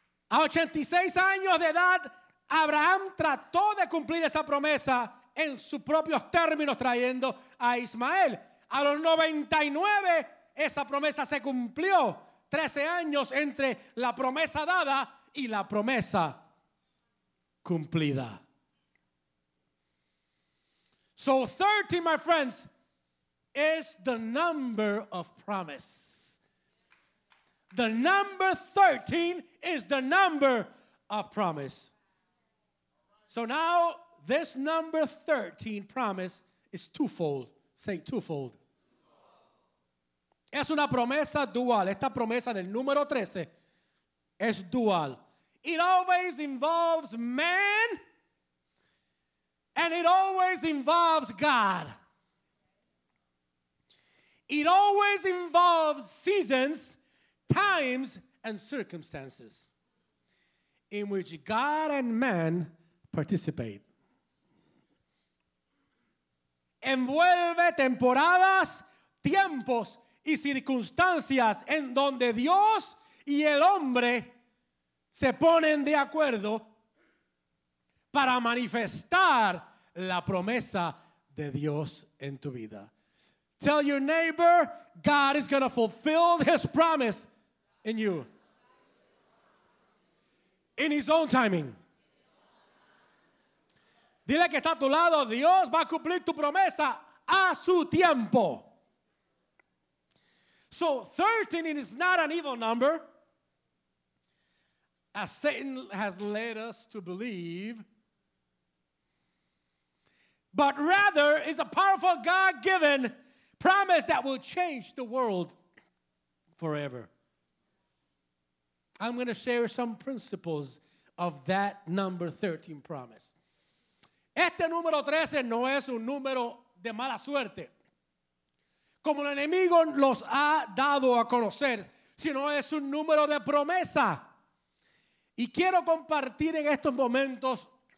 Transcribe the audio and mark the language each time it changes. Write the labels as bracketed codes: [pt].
[es] A 86 años de edad, Abraham trató de cumplir esa promesa en sus propios términos trayendo a Ismael. A los 99, esa promesa se cumplió. 13 años entre la promesa dada y la promesa cumplida. [en] So 30, my friends, is the number of promise. The number 13 is the number of promise. So now this number 13 promise is twofold. Say twofold. [es] Es una promesa dual. Esta promesa del número 13 es dual. [en] It always involves man. And it always involves God. It always involves seasons, times, and circumstances in which God and man participate. [es] Envuelve temporadas, tiempos, y circunstancias en donde Dios y el hombre se ponen de acuerdo para manifestar la promesa de Dios en tu vida. [en] Tell your neighbor, God is going to fulfill his promise in you. In his own timing. [es] Dile que está a tu lado, Dios va a cumplir tu promesa a su tiempo. [en] So 13 is not an evil number, as Satan has led us to believe, but rather is a powerful God-given promise that will change the world forever. I'm going to share some principles of that number 13 promise. [es] Este número 13 no es un número de mala suerte, como el enemigo los ha dado a conocer, sino es un número de promesa. Y quiero compartir en estos momentos